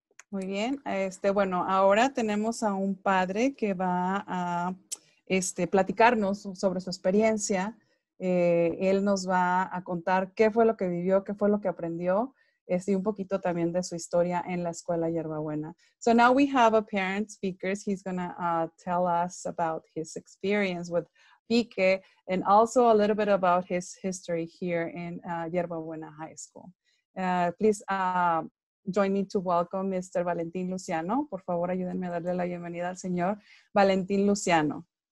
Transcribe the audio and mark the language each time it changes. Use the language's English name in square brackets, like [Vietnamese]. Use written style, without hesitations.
[Spanish] Muy bien, este, bueno, ahora tenemos a un padre que va a este, platicarnos sobre su experiencia. Él nos va a contar qué fue lo que vivió, qué fue lo que aprendió, y un poquito también de su historia en la escuela Hierbabuena. [English] So now we have a parent speaker. He's going to tell us about his experience with Pique and also a little bit about his history here in Hierbabuena High School. Please join me to welcome Mr. Valentín Luciano. [Spanish] Por favor, ayúdenme a darle la bienvenida al señor Valentín Luciano.